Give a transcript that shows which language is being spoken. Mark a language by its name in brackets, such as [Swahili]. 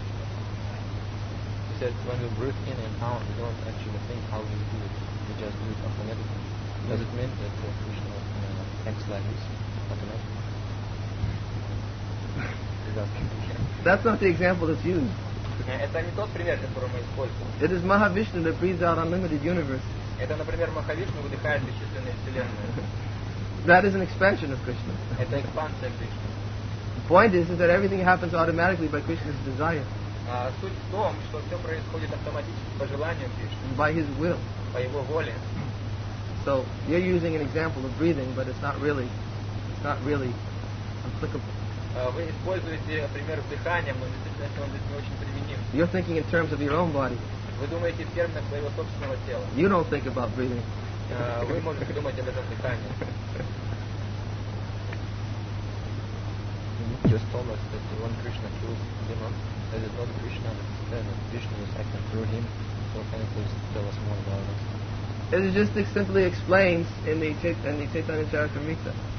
[English] He said, when you breathe in and out, you don't actually think how you do it. You just do it automatically. Does it mean that Krishna acts like this automatically? That's not the example that's used. [Russian] Это не тот пример, который мы используем. [English] It is Mahavishnu that breathes out unlimited universe. [Russian] Это, например, Махавишну выдыхает бесчисленные вселенные. [English] That is an expansion of Krishna. [Russian] Это экспансия Кришны. [English] The point is that everything happens automatically by Krishna's desire. [Russian] Суть в том, что все происходит автоматически по желанию Кришны. [English] By his will. [Russian] По его воле. [English] So you're using an example of breathing, but it's not really applicable. [Russian] Вы используете пример вдыхания, но действительно он здесь не очень применим. [English] You're thinking in terms of your own body. [Russian] Вы думаете в терминах своего собственного тела. [English] You don't think about breathing. [Russian] Вы можете думать об этом дыхании. [English] You just told us that when Krishna kills demons, that is not Krishna, then Krishna is acting through him. So can you please tell us more about this? It is just simply explains in the Chaitanya Charitamrita.